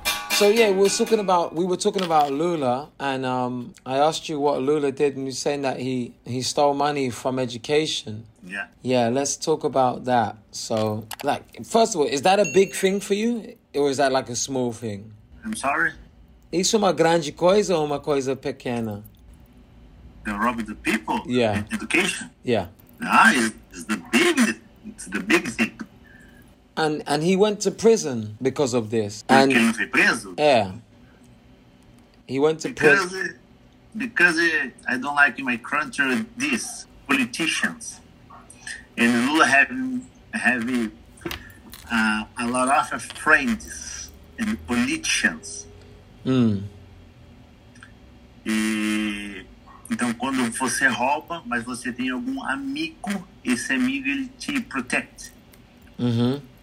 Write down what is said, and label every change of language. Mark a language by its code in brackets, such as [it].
[en] So yeah, we were talking about Lula, and I asked you what Lula did, and you're saying that he stole money from education. Yeah, let's talk about that. So, like, first of all, is that a big thing for you, or is that like a small thing? I'm sorry. [pt] Isso é uma grande coisa ou uma coisa pequena? [en] They robbed the people, Yeah. education. Yeah. It's the big thing. And he went to prison because of this. [pt] Por que [en] And [pt] ele foi preso? [en] yeah. He went to prison. Because I don't like in my country these politicians. And Lula have a lot of friends and politicians. [pt] Então, quando você rouba, mas você tem algum amigo, esse amigo ele te protege.